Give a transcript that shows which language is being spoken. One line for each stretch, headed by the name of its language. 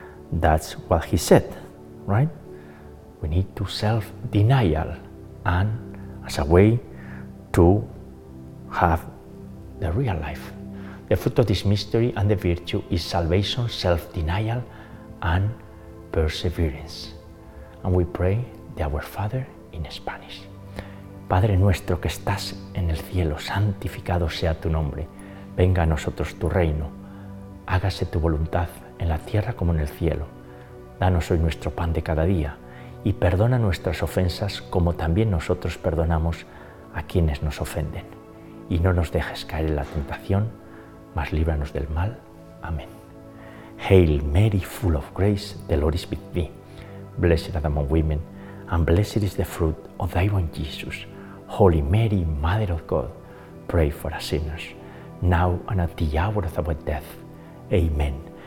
English: That's what he said, right? We need to self-denial, and as a way to have the real life. The fruit of this mystery and the virtue is salvation, self-denial, and perseverance. And we pray the Our Father in Spanish.
Spanish: Padre nuestro que estás en el cielo, santificado sea tu nombre. Venga a nosotros tu reino. Hágase tu voluntad en la tierra como en el cielo. Danos hoy nuestro pan de cada día y perdona nuestras ofensas como también nosotros perdonamos a quienes nos ofenden. Y no nos dejes caer en la tentación, mas líbranos del mal. Amén.
English: Hail Mary, full of grace, the Lord is with thee. Blessed art thou among women, and blessed is the fruit of thy womb, Jesus. Holy Mary, Mother of God, pray for us sinners, now and at the hour of our death. Amen.